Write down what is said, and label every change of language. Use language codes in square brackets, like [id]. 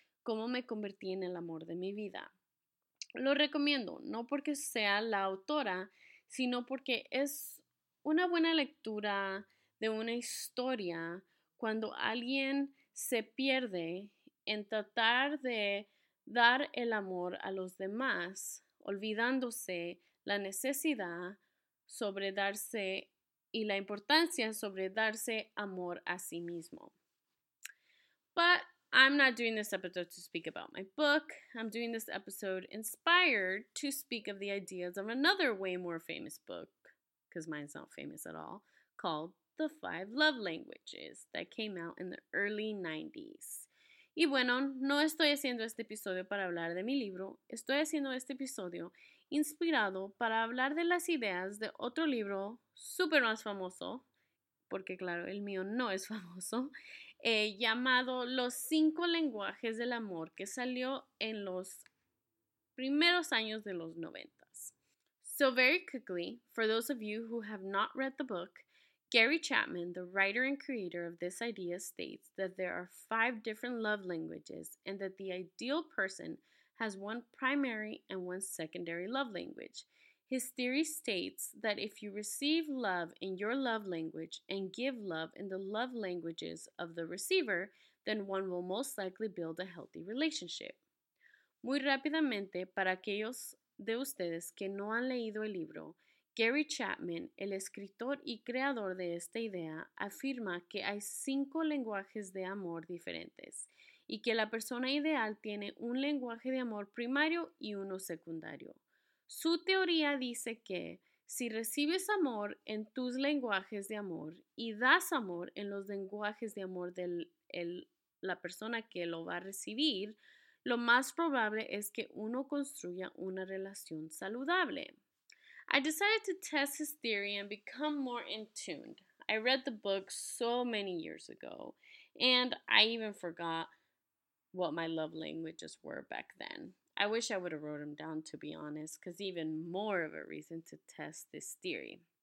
[es] Cómo me convertí en el amor de mi vida. Lo recomiendo, no porque sea la autora, sino porque es una buena lectura de una historia cuando alguien se pierde en tratar de dar el amor a los demás, olvidándose la necesidad sobre darse y la importancia sobre darse amor a sí mismo. But [en] I'm not doing this episode to speak about my book. I'm doing this episode inspired to speak of the ideas of another way more famous book, because mine's not famous at all, called The Five Love Languages, that came out in the early 90s. [es] Y bueno, no estoy haciendo este episodio para hablar de mi libro. Estoy haciendo este episodio inspirado para hablar de las ideas de otro libro súper más famoso, porque claro, el mío no es famoso, llamado Los Cinco Lenguajes del Amor, que salió en los primeros años de los 90s. [en] So very quickly, for those of you who have not read the book, Gary Chapman, the writer and creator of this idea, states that there are five different love languages and that the ideal person has one primary and one secondary love language. His theory states that if you receive love in your love language and give love in the love languages of the receiver, then one will most likely build a healthy relationship. [es] Muy rápidamente, para aquellos de ustedes que no han leído el libro, Gary Chapman, el escritor y creador de esta idea, afirma que hay cinco lenguajes de amor diferentes y que la persona ideal tiene un lenguaje de amor primario y uno secundario. Su teoría dice que si recibes amor en tus lenguajes de amor y das amor en los lenguajes de amor de la persona que lo va a recibir, lo más probable es que uno construya una relación saludable. [en] I decided to test his theory and become more in tuned. I read the book so many years ago, and I even forgot what my love languages were back then. I wish I would have wrote them down, to be honest, because even more of a reason to test this theory.